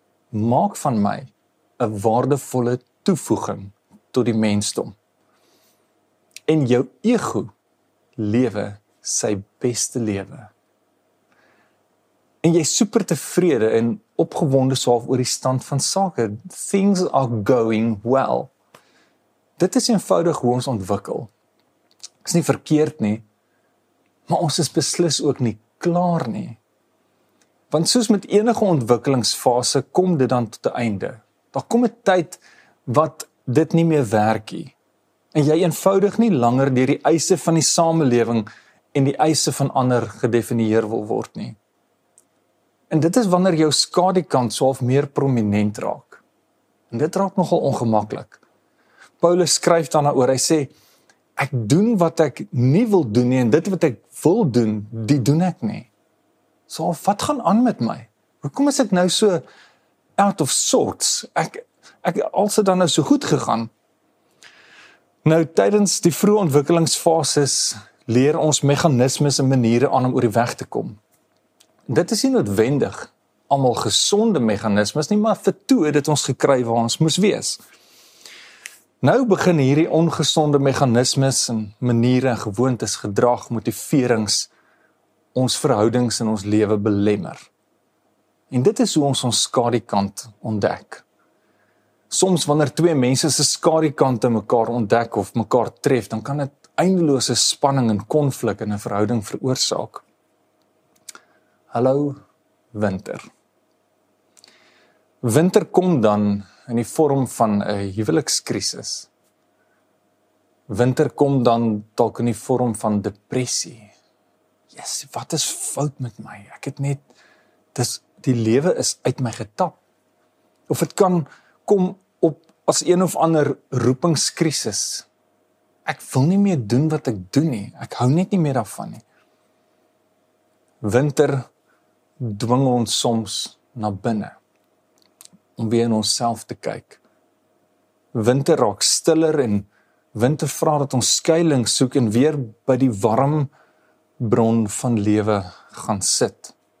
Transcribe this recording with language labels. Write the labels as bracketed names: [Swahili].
[Afrikaans] maak van my 'n waardevolle toevoeging tot die mensdom. En jou ego lewe sy beste lewe. En jy is super tevrede en opgewonde saaf oor die stand van sake. [English] Things are going well. [Afrikaans] Dit is eenvoudig hoe ons ontwikkel. Is nie verkeerd nie, maar ons is beslis ook nie klaar nie. Want soos met enige ontwikkelingsfase kom dit dan tot 'n einde. Daar kom 'n tyd wat dit nie meer werk nie. En jy eenvoudig nie langer deur die eise van die samelewing en die eise van ander gedefinieer wil word nie. En dit is wanneer jou skadukant swaaf meer prominent raak. En dit raak nogal ongemaklik. Paulus skryf dan daaroor, hy sê, ek doen wat ek nie wil doen nie, en dit wat ek wil doen, die doen ek nie. So, wat gaan aan met my? Hoekom is ek nou so [English] out of sorts? [Afrikaans] Ek als het dan nou so goed gegaan. Nou, tydens die vroeë ontwikkelingsfases leer ons meganismes en maniere aan om oor die weg te kom. Dit is nie noodwendig, almal gesonde meganismes nie, maar vertoe dit ons gekry waar ons moes wees. Nou begin hierdie ongesonde meganismes en maniere en gewoontes, gedrag, motiverings, ons verhoudings in ons lewe belemmer. En dit is hoe ons skadukant ontdek. Soms wanneer twee mense se skadukante mekaar ontdek of mekaar tref, dan kan dit eindelose spanning en konflik in 'n verhouding veroorsaak. Hallo winter. Winter kom dan in die vorm van 'n huwelikskrisis. Winter kom dan dalk in die vorm van depressie. Yes, wat is fout met my? Ek het net dis die lewe is uit my getap. Of dit kan kom op as een of ander roepingskrisis. Ek wil nie meer doen wat ek doen nie. Ek hou net nie meer daarvan nie. Winter dwing ons soms na binne om weer in onsself te kyk. Winter raak stiller en winter vra dat ons skuiling soek en weer by die warm bron van lewe gaan sit.